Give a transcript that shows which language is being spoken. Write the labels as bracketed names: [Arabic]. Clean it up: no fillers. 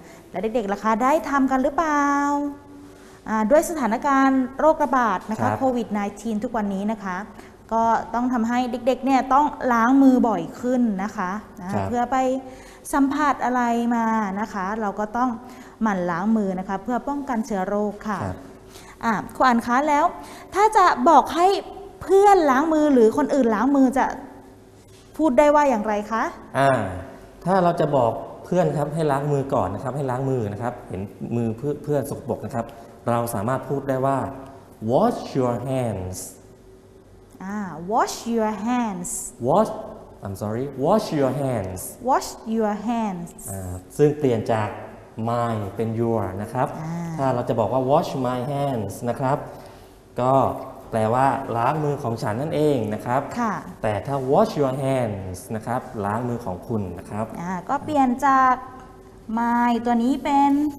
[Thai] แล้วเด็กๆล่ะคะได้ทำกันหรือเปล่าด้วยสถานการณ์โรคระบาดนะคะโควิด-19 ทุกวันนี้นะคะก็ต้องทำให้เด็กๆเนี่ยต้องล้างมือบ่อยขึ้นนะคะเพื่อไปสัมผัสอะไรมานะคะเราก็ต้องหมั่นล้างมือนะคะเพื่อป้องกันเชื้อโรคค่ะครูอั๋นคะแล้วถ้าจะบอกให้เพื่อนล้างมือหรือคนอื่นล้างมือจะพูดได้ว่าอย่างไรคะ ถ้าเราจะบอกเพื่อนครับให้ล้างมือก่อนนะครับให้ล้างมือนะครับเห็นมือเพื่อนสกปรกนะครับเราสามารถพูดได้ว่า [English] wash your hands wash your hands wash I'm sorry wash your hands wash your hands [Thai] ซึ่งเปลี่ยนจาก my เป็น your นะครับถ้าเราจะบอกว่า [English] wash my hands [Thai] นะครับก็แปลว่าล้างมือของฉันนั่นเองนะครับ ค่ะ แต่ถ้า [English] wash your hands [Thai] นะครับล้างมือของคุณนะครับ ก็เปลี่ยนจาก my ตัวนี้เป็น